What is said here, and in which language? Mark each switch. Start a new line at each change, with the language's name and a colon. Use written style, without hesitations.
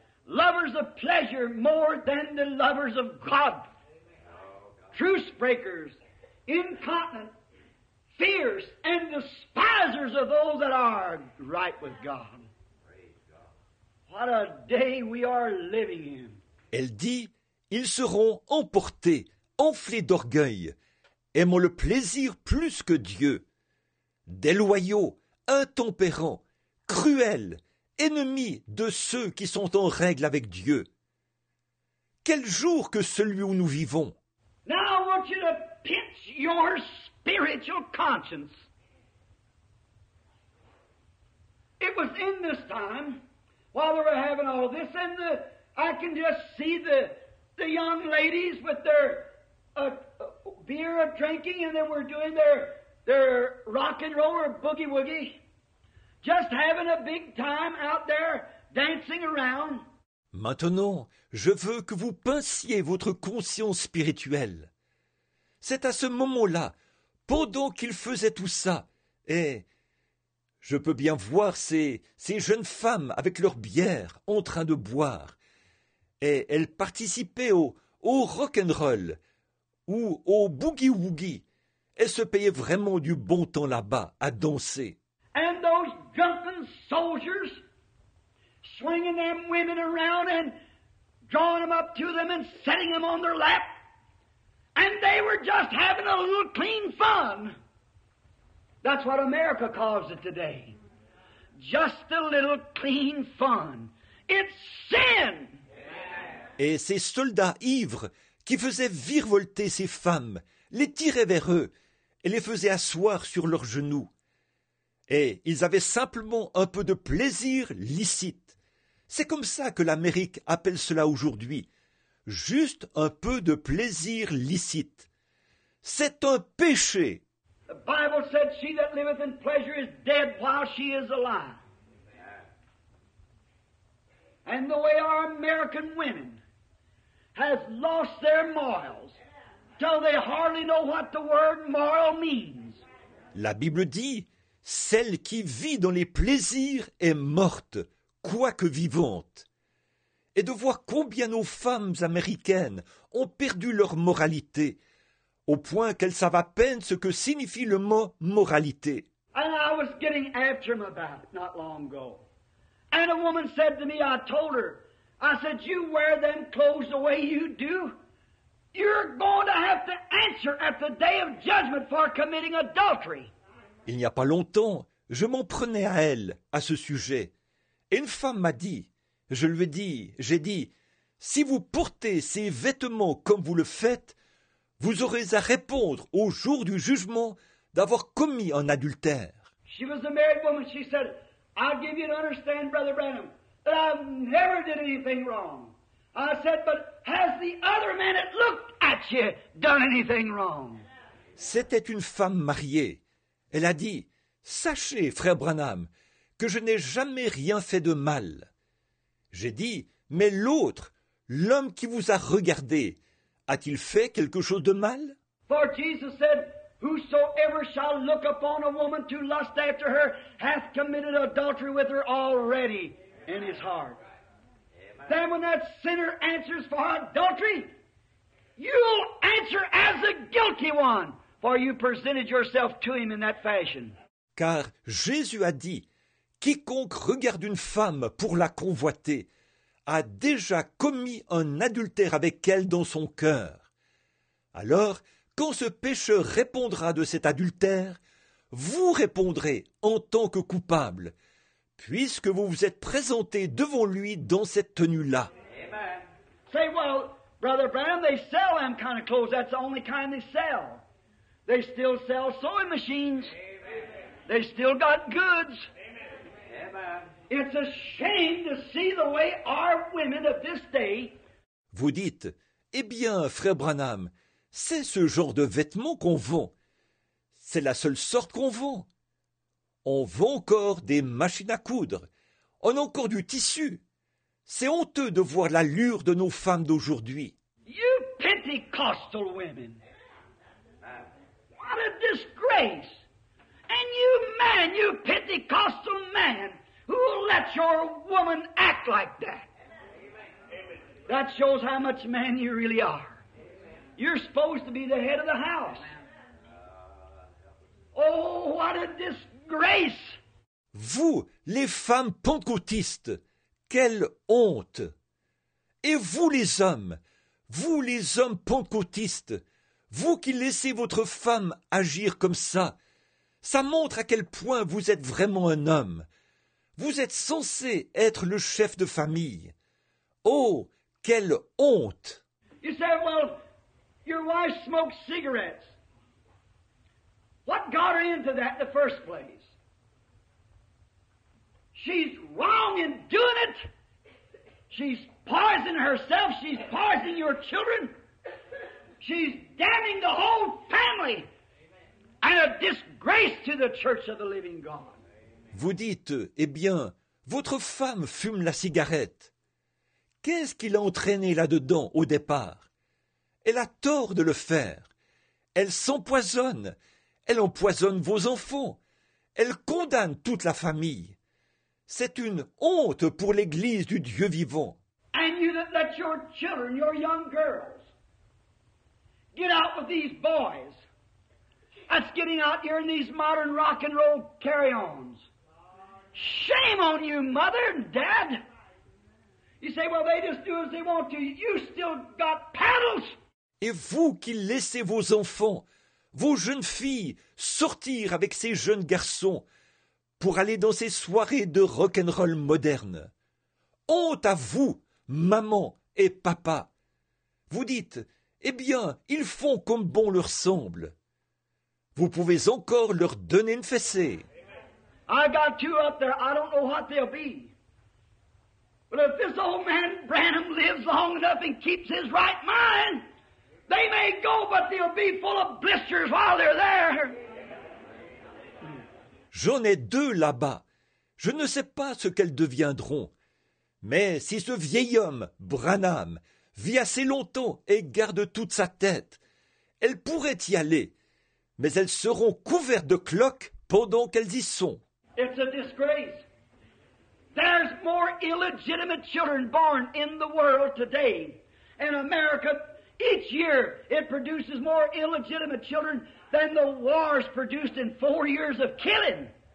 English: Lovers of pleasure more than the lovers of God. Truce breakers, incontinent, fierce, and despisers of those that are right with God. What a day we are living in.
French: Elle dit, ils seront emportés, enflés d'orgueil, aimant le plaisir plus que Dieu. Déloyaux, intempérants, cruels, ennemis de ceux qui sont en règle avec Dieu. Quel jour que celui où nous vivons!
English: Now I want you to pinch your spiritual conscience. It was in this time, while we were having all this, and I can just see the young ladies with their beer of drinking, and they were doing their rock and roll or boogie woogie. Just having a big time out there, dancing around.
French: Maintenant, je veux que vous pinciez votre conscience spirituelle. C'est à ce moment-là, pendant qu'il faisait tout ça, et je peux bien voir ces jeunes femmes avec leur bière en train de boire, et elles participaient au rock'n'roll ou au boogie-woogie, et se payaient vraiment du bon temps là-bas à danser.
English: And those drunken soldiers swinging them women around and drawing them up to them and setting them on their lap. And they were just having a little clean fun. That's what America calls it today. Just a little clean fun. It's sin.
French: Et ces soldats ivres qui faisaient virevolter ces femmes les tiraient vers eux et les faisaient asseoir sur leurs genoux. Et ils avaient simplement un peu de plaisir licite. C'est comme ça que l'Amérique appelle cela aujourd'hui. Juste un peu de plaisir licite. C'est un péché.
English: The Bible said she that liveth in pleasure is dead while she is alive. And the way our American women has lost their morals till they hardly know what the word moral means.
French: La Bible dit, celle qui vit dans les plaisirs est morte, quoique vivante. Et de voir combien nos femmes américaines ont perdu leur moralité, au point qu'elles savent à peine ce que signifie le mot moralité.
English: And I was getting after him about it not long ago. And a woman said to me, I told her, I said, you wear them clothes the way you do, you're going to have to answer at the day of judgment for committing adultery.
French: Il n'y a pas longtemps, je m'en prenais à elle, à ce sujet. Et une femme m'a dit, j'ai dit, si vous portez ces vêtements comme vous le faites, vous aurez à répondre au jour du jugement d'avoir commis un adultère.
English: She was a married woman, she said, I'll give you to understand, Brother Branham, that I've never did anything wrong. I said, but has the other man that looked at you done anything wrong?
French: C'était une femme mariée. Elle a dit, « Sachez, frère Branham, que je n'ai jamais rien fait de mal. » J'ai dit, « Mais l'autre, l'homme qui vous a regardé, a-t-il fait quelque chose de mal ?»
English: For Jesus said, « Whosoever shall look upon a woman to lust after her hath committed adultery with her already in his heart. » Then when that sinner answers for adultery, you'll answer as a guilty one. For you presented yourself to him in that fashion.
French: Car Jésus a dit, quiconque regarde une femme pour la convoiter a déjà commis un adultère avec elle dans son cœur. Alors, quand ce pécheur répondra de cet adultère, vous répondrez en tant que coupable, puisque vous vous êtes présenté devant lui dans cette tenue-là.
English: Amen. Say, well, Brother Branham, they sell them kind of clothes. That's the only kind they sell. They still sell sewing machines. Amen. They still got goods. Amen. It's a shame to see the way our women of this day.
French: Vous dites, eh bien, frère Branham, c'est ce genre de vêtements qu'on vend. C'est la seule sorte qu'on vend. On vend encore des machines à coudre. On a encore du tissu. C'est honteux de voir l'allure de nos femmes d'aujourd'hui.
English: You Pentecostal women! What a disgrace! And you men, you Pentecostal men, who let your woman act like that? That shows how much man you really are. You're supposed to be the head of the house. Oh, what a disgrace!
French: Vous, les femmes pentecôtistes, quelle honte! Et vous, les hommes pentecôtistes, vous qui laissez votre femme agir comme ça, ça montre à quel point vous êtes vraiment un homme. Vous êtes censé être le chef de famille. Oh, quelle honte!
English: You say, well, your wife smokes cigarettes. What got her into that in the first place? She's wrong in doing it. She's poisoning herself. She's poisoning your children. She's damning the whole family. And a disgrace to the church of the living God.
French: Vous dites, eh bien, votre femme fume la cigarette. Qu'est-ce qui l'a entraînée là-dedans au départ? Elle a tort de le faire. Elle s'empoisonne. Elle empoisonne vos enfants. Elle condamne toute la famille. C'est une honte pour l'Église du Dieu vivant.
English: And you that let your children, your young girls, get out with these boys. That's getting out here in these modern rock and roll carry-ons. Shame on you, mother and dad. You say, well, they just do as they want to. You still got paddles.
French: Et vous qui laissez vos enfants, vos jeunes filles, sortir avec ces jeunes garçons pour aller dans ces soirées de rock'n'roll moderne. Honte à vous, maman et papa. Vous dites, eh bien, ils font comme bon leur semble. Vous pouvez encore leur donner une fessée.
English: I got two up there. I don't know what they'll be. But if this old man Branham lives long enough and keeps his right mind, they may go, but they'll be full of blisters while they're there.
French: J'en ai deux là-bas. Je ne sais pas ce qu'elles deviendront. Mais si ce vieil homme, Branham, vit assez longtemps et garde toute sa tête, elles pourraient y aller. Mais elles seront couvertes de cloques pendant qu'elles y sont.
English: It's a disgrace. There's more illegitimate children born in the world today. In America, each year, it produces more illegitimate children than the wars produced in 4 years of killing.